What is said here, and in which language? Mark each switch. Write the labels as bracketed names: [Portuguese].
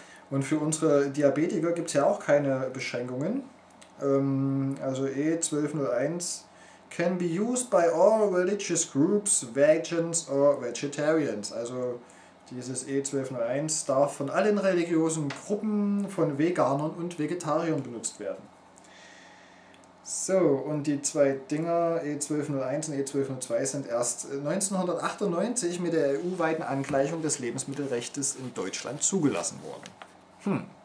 [German] Und für unsere Diabetiker gibt es ja auch keine Beschränkungen. [English] Also E1201 can be used by all religious groups, vegans or vegetarians. [German] Also dieses E1201 darf von allen religiösen Gruppen, von Veganern und Vegetariern benutzt werden. So, und die zwei Dinger, E1201 und E1202, sind erst 1998 mit der EU-weiten Angleichung des Lebensmittelrechts in Deutschland zugelassen worden.